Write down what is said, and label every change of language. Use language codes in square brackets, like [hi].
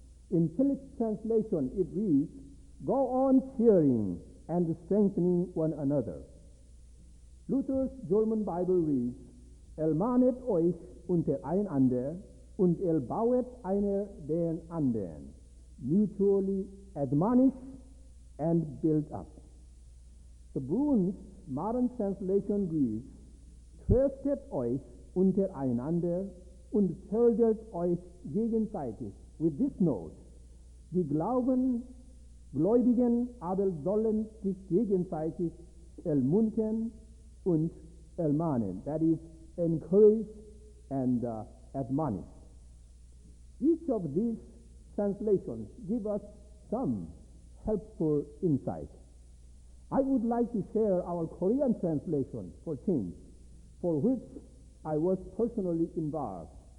[en] In Tillich's translation, it reads, "Go on cheering and strengthening one another." Luther's German Bible reads, [de] "Ermahnet euch untereinander und erbauet einer den anderen." [en] Mutually admonish and build up. The Bruins modern translation reads, [de] "Tröstet euch untereinander und fördert euch gegenseitig." [en] With this note, [de] die Glauben Gläubigen aber sollen sich gegenseitig ermuntern und ermahnen, [en] that is, encourage and admonish. Each of these translations give us some helpful insight. I would like to share our Korean translation for change, for which I was personally involved.